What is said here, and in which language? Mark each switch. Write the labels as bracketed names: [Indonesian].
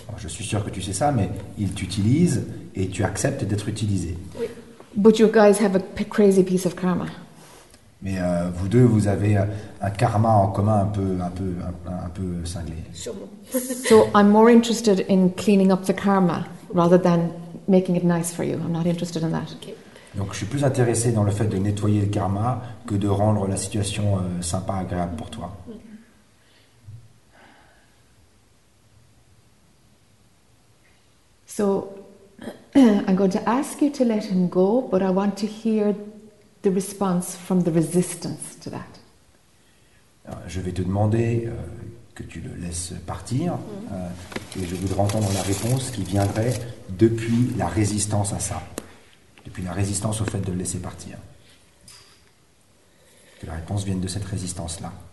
[French] Je suis sûr que tu sais ça, mais il t'utilise et tu acceptes d'être utilisé. Oui. [English] But you guys have a crazy piece of karma. [French] Mais vous deux, vous avez un karma en commun un peu cinglé. Sûrement. [English] So I'm more interested in cleaning up the karma rather than making it nice for you. I'm not interested in that. Okay. [French] Donc je suis plus intéressé dans le fait de nettoyer le karma que de rendre la situation sympa, agréable pour toi. [English] So I'm going to ask you to let him go, but I want to hear the response from the resistance to that. [French] Je vais te demander que tu le laisses partir, et je voudrais entendre la réponse qui viendrait depuis la résistance à ça, depuis la résistance au fait de le laisser partir. Que la réponse vienne de cette résistance-là.